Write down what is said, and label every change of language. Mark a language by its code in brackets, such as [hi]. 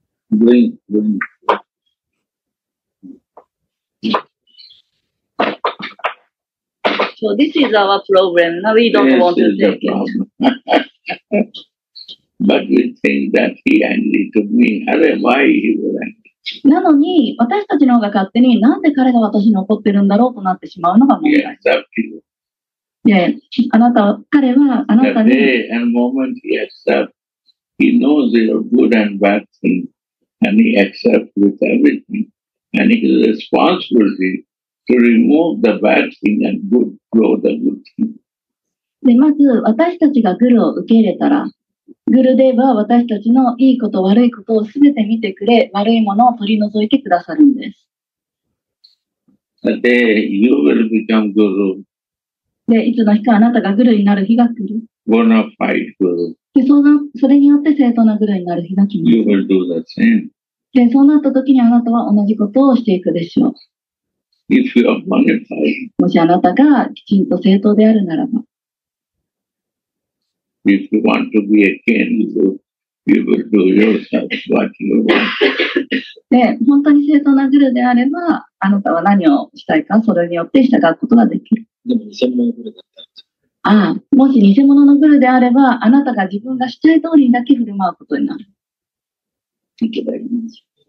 [en] Bring. So this is our problem. Now we don't want to take it. But we think that he angry to me. Are why he will angry? [ja] なのに私たちの方が勝手になんで彼が私に怒ってるんだろうとなってしまうのが問題です。 [en] Yeah, exactly. [ja] であなた彼はあなたに [en] The day and moment he accepts, he knows your good and bad thing, and he accepts with everything, and he is responsible to remove the bad thing and good, grow the good thing. [ja] でまず私たちがグルを受け入れたら。グルデーブは私たちのいいこと悪いことをすべて見てくれ、悪いものを取り除いてくださるんです。 [en] で、you will become guru. [ja] で、いつの日かあなたがグルになる日が来る。 [en] Bona fide guru. [ja] で、それによって正当なグルになる日が来る。 [en] You will do the same. [ja] で、そうなった時にあなたは同じことをしていくでしょう。 [en] If you are bona fide. [ja] もしあなたがきちんと正当であるならば。 [en] If you want to be a king, you will do yourself what you want. [ja] で、本当に正当なグルであれば、あなたは何をしたいか、それによって従うことができる。でも偽物のグルだったんですよ。ああ、もし偽物のグルであれば、あなたが自分がしたい通りにだけ振る舞うことになる。 [en] Thank you very much.